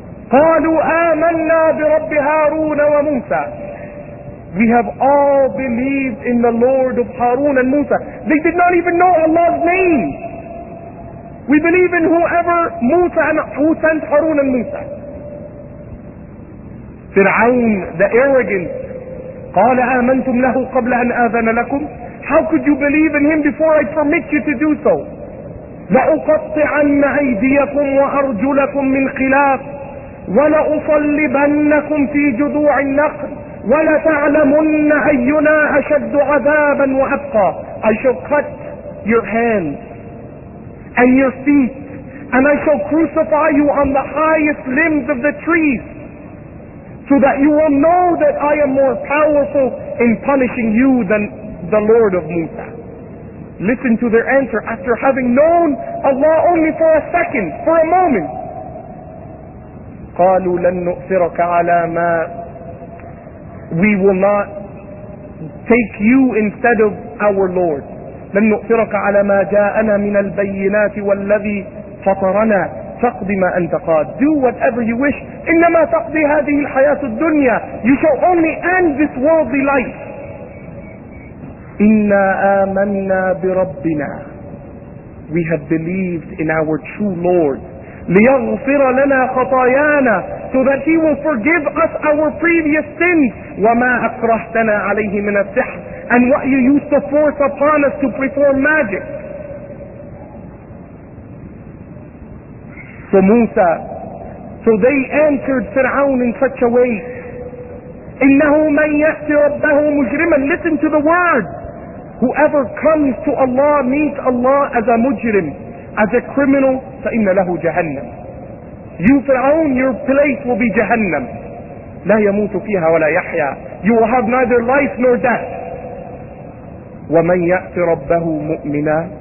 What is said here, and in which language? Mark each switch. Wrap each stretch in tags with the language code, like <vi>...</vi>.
<ar>قَالُوا آمَنَّا بِرَبِّ هَارُونَ وَمُوسَى.</ar> <en>We have all believed in the Lord of Harun and Musa. They did not even know Allah's name. We believe in whoever Musa and who sent Harun and Musa.</en> <ar>Fir'aun,</ar> <en>the arrogant,</en> <ar>قال آمنتم له قبل أن آذن لكم.</ar> <en>How could you believe in him before I permit you to do so?</en> <ar>لأقطعن أيديكم وأرجلكم من خلاف ولأصلبنكم في جذوع النخل ولتعلمن أينا أشد عذابا وأبقى.</ar> <en>I shall cut your hands and your feet, and I shall crucify you on the highest limbs of the trees, so that you will know that I am more powerful in punishing you than the Lord of Musa. Listen to their answer after having known Allah only for a second, for a moment.</en> <ar>قَالُوا لَن نُؤْثِرَكَ عَلَى مَا.</ar> <en>We will not take you instead of our Lord.</en> <ar>لَن نُؤْثِرَكَ عَلَى مَا جَاءَنَا مِنَ الْبَيِّنَاتِ وَالَّذِي فَطَرَنَا. تقضي ما أنت قاد.</ar> <en>Do whatever you wish.</en> <ar>إنما تقضي هذه الحياة الدنيا.</ar> <en>You shall only end this worldly life.</en> <ar>إنا آمنا بربنا.</ar> <en>We have believed in our true Lord.</en> <ar>ليغفر لنا خطايانا.</ar> <en>So that He will forgive us our previous sins.</en> <ar>وما أكرهتنا عليه من السحر.</ar> <en>And what you used to force upon us to perform magic. So Musa, so they answered Fir'aun in such a way.</en> <ar>إِنَّهُ مَنْ يَأْتِ رَبَّهُ مُجْرِمًا.</ar> <en>Listen to the word. Whoever comes to Allah, meets Allah as a mujrim, as a criminal,</en> <ar>فَإِنَّ لَهُ جَهَنَّمْ.</ar> <en>You Fir'aun, your place will be Jahannam.</en> <ar>لا يموت فيها ولا يحيا.</ar> <en>You will have neither life nor death.</en> <ar>وَمَنْ يَأْتِ رَبَّهُ مُؤْمِنًا.</ar>